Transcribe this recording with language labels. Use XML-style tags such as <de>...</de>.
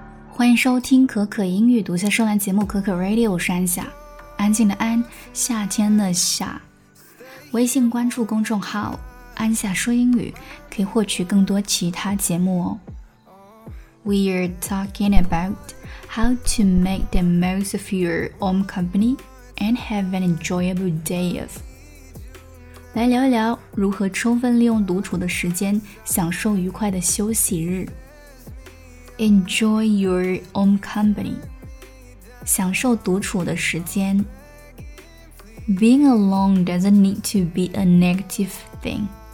<zh>欢迎收听可可英语读下说完节目可可 Radio， 我是安夏，安静的安，夏天的夏。微信关注公众号安夏说英语，可以获取更多其他节目哦。</zh> <en>We are talking about how to make the most of your own company and have an enjoyable day of.</en> <zh>来聊一聊如何充分利用独处的时间，享受愉快的休息日。</zh> <en>Enjoy your own company.</en> <zh>享受独处的时间。</zh> <en>Being alone doesn't need to be a negative thing.</en>